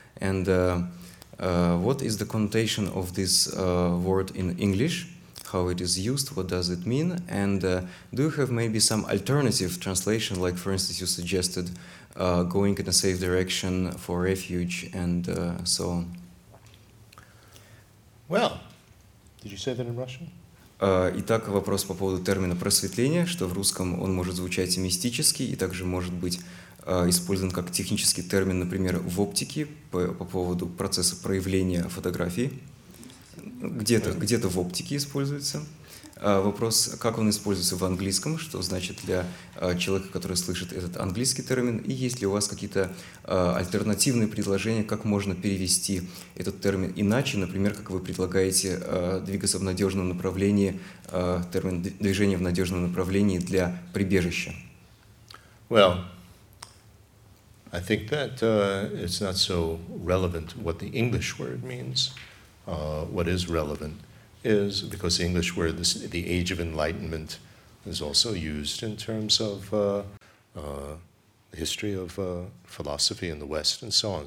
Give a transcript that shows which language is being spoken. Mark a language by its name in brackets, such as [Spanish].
[English] And what is the connotation of this word in English? How it is used, what does it mean, and do you have maybe some alternative translation, like for instance you suggested going in a safe direction for refuge and so on? Well, did you say that in Russian? [Russian] Итак, вопрос по поводу термина просветление, что в русском он может звучать мистически и также может быть использован как технический термин, например, в оптике по поводу процесса проявления фотографии. Где-то в оптике используется. Вопрос, как он используется в английском, что значит для человека, который слышит этот английский термин, и есть ли у вас какие-то альтернативные предложения, как можно перевести этот термин иначе, например, как вы предлагаете двигаться в надежном направлении, термин движения в надежном направлении для прибежища? [English] Well, I think that it's not so relevant what the English word means. What is relevant is, because the English word, this, the age of enlightenment, is also used in terms of the history of philosophy in the West and so on.